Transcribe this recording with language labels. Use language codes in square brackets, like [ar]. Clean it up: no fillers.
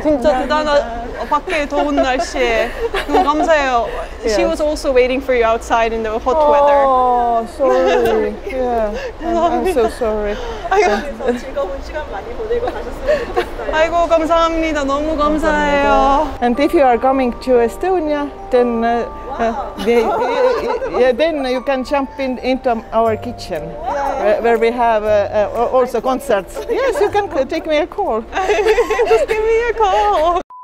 [ko] 진짜 대단한 밖에 더운 날씨에 너무 감사해요. [en] Yes. She was also waiting for you outside in the hot weather. Oh, sorry. Yeah. I'm so sorry. [ko] 즐거운 시간 많이 보내고 가셨으면 아이고 감사합니다. 너무 감사해요. [en] And if you are coming to Estonia, then then you can jump into our kitchen. Where we have also concerts. Yes, you can take me a call. Just give me a call.